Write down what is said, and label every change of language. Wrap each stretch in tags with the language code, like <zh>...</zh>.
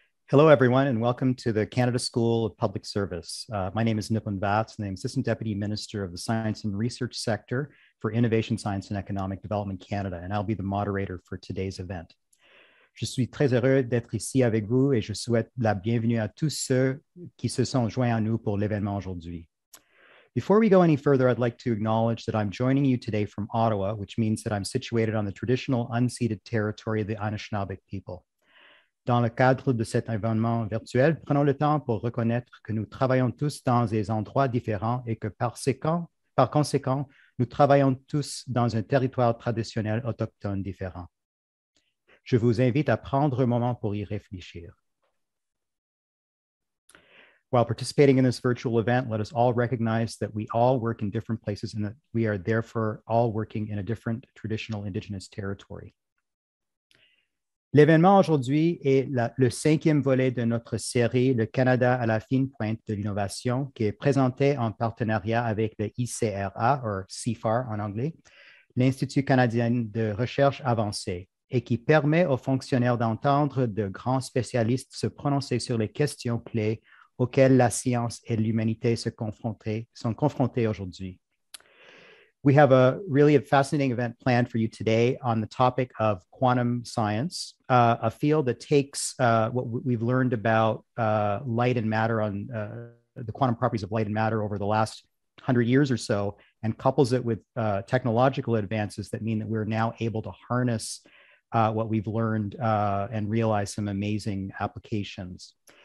<en>Hello, everyone, and welcome to the Canada School of Public Service. My name is Nipun Vats, and I'm Assistant Deputy Minister of the Science and Research Sector for Innovation, Science, and Economic Development Canada, and I'll be the moderator for today's event.</en> <fr>Je suis très heureux d'être ici avec vous, et je souhaite la bienvenue à tous ceux qui se sont joints à nous pour l'événement aujourd'hui.</fr> <en>Before we go any further, I'd like to acknowledge that I'm joining you today from Ottawa, which means that I'm situated on the traditional unceded territory of the Anishinaabeg people.</en> <fr>Dans le cadre de cet événement virtuel, prenons le temps pour reconnaître que nous travaillons tous dans des endroits différents et que par conséquent, nous travaillons tous dans un territoire traditionnel autochtone différent. Je vous invite à prendre un moment pour y réfléchir.</fr> <en>While participating in this virtual event, let us all recognize that we all work in different places and that we are therefore all working in a different traditional Indigenous territory.</en> <fr>L'événement aujourd'hui est le cinquième volet de notre série Le Canada à la fine pointe de l'innovation, qui est présenté en partenariat avec le ICRA, or CIFAR en anglais, l'Institut canadien de recherche avancée, et qui permet aux fonctionnaires d'entendre de grands spécialistes se prononcer sur les questions clés auxquelles la science et l'humanité sont confrontées aujourd'hui.</fr> <en>We have a really fascinating event planned for you today on the topic of quantum science, a field that takes what we've learned about light and matter on the quantum properties of light and matter over the last 100 years or so, and couples it with technological advances that mean that we're now able to harness what we've learned and realize some amazing applications.</en>